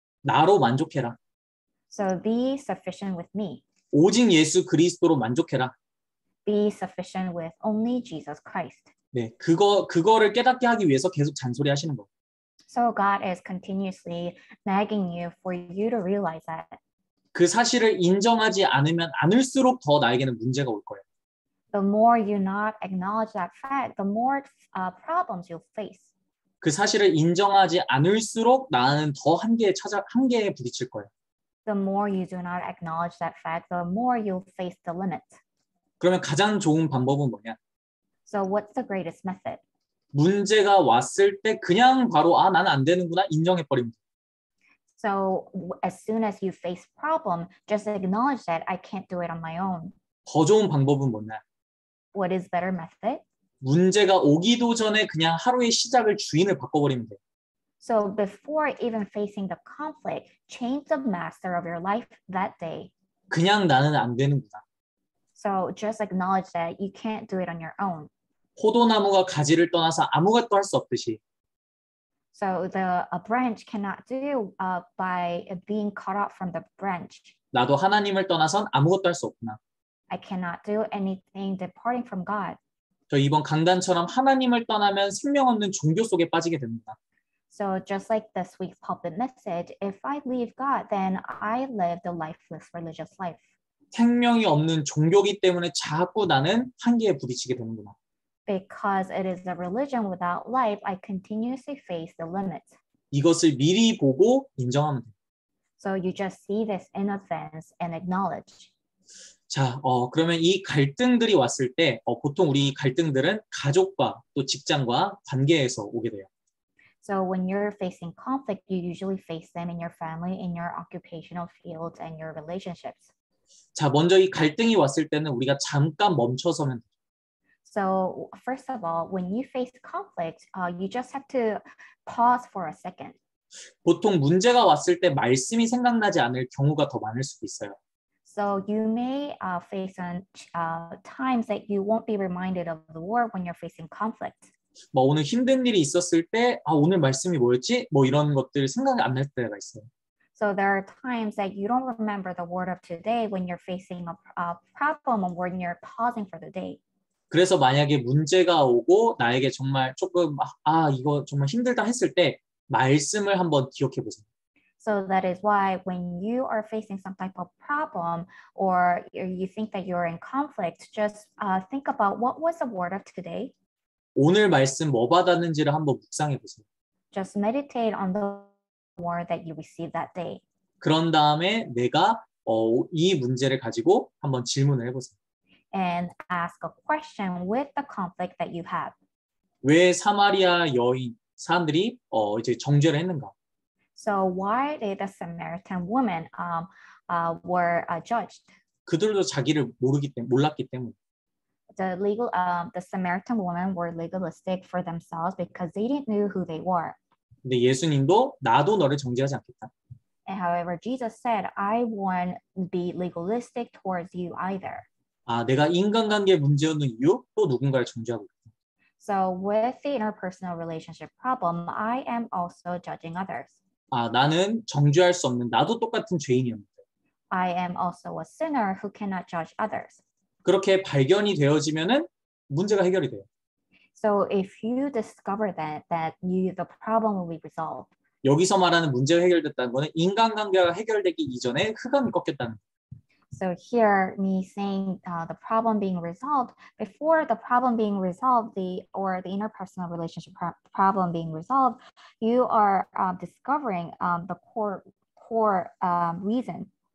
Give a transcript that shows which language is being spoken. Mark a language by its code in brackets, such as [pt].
[ko] 나로 만족해라. [en] So be sufficient with me. [ko] 오직 예수 그리스도로 만족해라. [en] Be sufficient with only Jesus Christ. [ko] 네, 그거를 깨닫게 하기 위해서 계속 잔소리 하시는 거. [en] So God is continuously nagging you for you to realize that. [ko] 그 사실을 인정하지 않으면 않을수록 더 나에게는 문제가 올 거예요. [en] The more you not acknowledge that fact, the more problems you'll face. [ko] 그 사실을 인정하지 않을수록 나는 더 한계에 부딪힐 거예요. [en] The more you do not acknowledge that fact, the more you'll face the limit. [ko] 그러면 가장 좋은 방법은 뭐냐? [en] So what's the greatest method? [ko] 문제가 왔을 때 그냥 바로 아 나는 안 되는구나 인정해 버립니다. [en] So as soon as you face problem, just acknowledge that I can't do it on my own. [ko] 더 좋은 방법은 뭐냐? [en] What is better method? [ko] 문제가 오기도 전에 그냥 하루의 시작을 주인을 바꿔버리면 돼. [en] So before even facing the conflict, change the master of your life that day. [ko] 그냥 나는 안 되는구나. [en] So just acknowledge that you can't do it on your own. [ko] 포도나무가 가지를 떠나서 아무것도 할 수 없듯이. [en] So the a branch cannot do by being cut off from the branch. [ko] 나도 하나님을 떠나선 아무것도 할 수 없구나. [en] I cannot do anything departing from God. [ko] 저 이번 강단처럼 하나님을 떠나면 생명 없는 종교 속에 빠지게 됩니다. [en] So just like this week's pulpit message, if I leave God, then I live the lifeless religious life. [ko] 생명이 없는 종교기 때문에 자꾸 나는 한계에 부딪히게 되는구나. [en] Because it is a religion without life, I continuously face the limits. [ko] 이것을 미리 보고 인정하면 돼. [en] So you just see this in advance and acknowledge. [ko] 자, 그러면 이 갈등들이 왔을 때 보통 우리 갈등들은 가족과 또 직장과 관계에서 오게 돼요. [en] So when you're facing conflict, you usually face them in your family, in your occupational fields, and your relationships. [ko] 자, 먼저 이 갈등이 왔을 때는 우리가 잠깐 멈춰서면 돼. [en] So first of all, when you face conflict, you just have to pause for a second. [ko] 보통 문제가 왔을 때 말씀이 생각나지 않을 경우가 더 많을 수도 있어요. [en] So you may face times that you won't be reminded of the war when you're facing conflict. [ko] 뭐 오늘 힘든 일이 있었을 때 오늘 말씀이 뭐였지? 뭐 이런 것들 생각이 안 날 때가 있어요. [en] So there are times that you don't remember the word of today when you're facing a problem or when you're pausing for the day. [ko] 그래서 만약에 문제가 오고 나에게 정말 조금 이거 정말 힘들다 했을 때 말씀을 한번 기억해 보세요. [en] So that is why when you are facing some type of problem or you think that you're in conflict, just think about what was the word of today. [ko] 오늘 말씀 뭐 받았는지를 한번 묵상해 보세요. [en] Just meditate on the word that you received that day. [ko] 그런 다음에 내가 이 문제를 가지고 한번 질문을 해 보세요. [en] And ask a question with the conflict that you have. [ko] 왜 사마리아 여인 사람들이 이제 정죄를 했는가? [en] So why did the Samaritan woman were judged? [ko] 그들도 자기를 몰랐기 때문에. [en] The Samaritan woman were legalistic for themselves because they didn't know who they were. [ko] 근데 예수님도 나도 너를 정죄하지 않겠다. [en] And however, Jesus said, I won't be legalistic towards you either. [ko] 아, 내가 인간관계 문제 없는 이유, 또 누군가를 정죄하고 있다. [en] So with the interpersonal relationship problem, I am also judging others. [ko] 아, 나는 정죄할 수 없는, 나도 똑같은 죄인이었는데. [en] I am also a sinner who cannot judge others. [ko] 그렇게 발견이 되어지면은 문제가 해결이 돼요. [en] So if you discover that, that you, the problem will be resolved. [ko] 여기서 말하는 문제가 해결됐다는 거는 인간관계가 해결되기 이전에 흑암이 꺾였다는 거예요. [en] So here, me saying the problem being resolved, before the problem being resolved, the interpersonal relationship problem being resolved, you are discovering the core reason.